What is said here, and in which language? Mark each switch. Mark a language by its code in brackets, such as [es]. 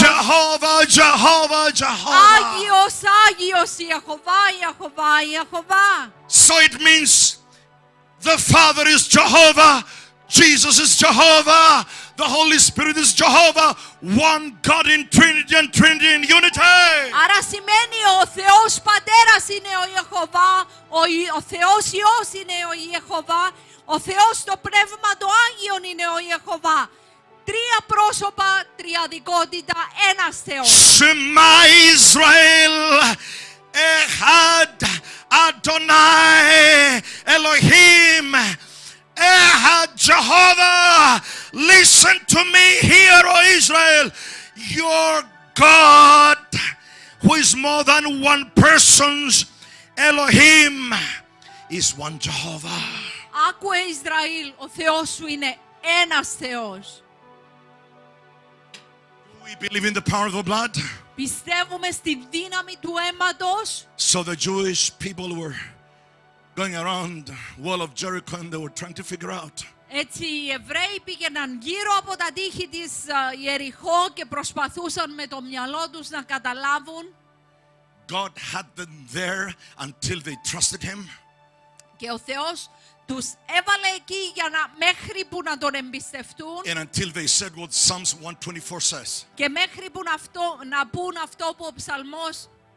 [en] Jehovah, Jehovah, Jehovah. [el] Άγιος, Άγιος, Yehovah, Yehovah, Yehovah. [en] So it means the Father is Jehovah, Jesus is Jehovah, the Holy Spirit is Jehovah, one God in Trinity and Trinity in unity. [el] Άρα σημαίνει ο Θεός Πατέρας είναι ο Ιεχωβά, ο Θεός Υιός είναι ο Ιεχωβά, ο Θεός το Πνεύμα το Άγιον είναι ο Ιεχωβά. Τρία πρόσωπα, τριαδικότητα, ένας Θεός. [he] Shema Israel, Echad Adonai Elohim. [en] Ahad Jehovah, listen to me, hear, O Israel. Your God, who is more than one person's Elohim, is one Jehovah. [el] Άκουε Ισραήλ, ο Θεός σου είναι ένας Θεός. [en] Do we believe in the power of the blood? [el] Πιστεύουμε στη δύναμη του αίματος. [en] So the Jewish people were going around the wall of Jericho and they were trying to figure out. [el] Έτσι οι Εβραίοι πήγαιναν γύρω από τα τείχη της Ιεριχώ και προσπαθούσαν με το μυαλό τους να καταλάβουν. [en] God had them there until they trusted him. [el] Και ο Θεός τους έβαλε εκεί για να, μέχρι που να τον εμπιστευτούν. [en] And until they said what Psalms 124 says. [el] Και μέχρι που να πούν αυτό που ο Ψαλμός